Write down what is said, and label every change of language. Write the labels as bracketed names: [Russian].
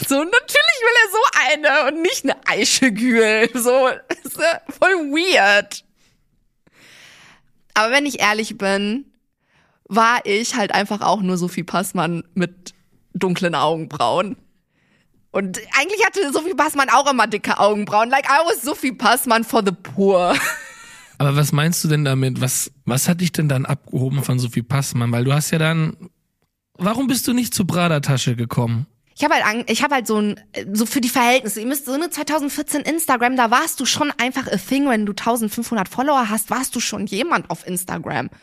[German] So, natürlich will er so eine und nicht eine Eichegül. So, ist voll weird. Aber wenn ich ehrlich bin, war ich halt einfach auch nur Sophie Passmann mit dunklen Augenbrauen. Und eigentlich hatte Sophie Passmann auch immer dicke Augenbrauen. [English] Like, I was Sophie Passmann for the poor. [German] Aber was meinst du denn damit? Was hat dich denn dann abgehoben von Sophie Passmann? Weil du hast ja dann, warum bist du nicht zur Prada-Tasche gekommen? Ich habe halt so für die Verhältnisse. Ihr müsst so eine 2014 Instagram, da warst du schon einfach [English] a thing, [German] wenn du 1500 Follower hast, warst du schon jemand auf Instagram.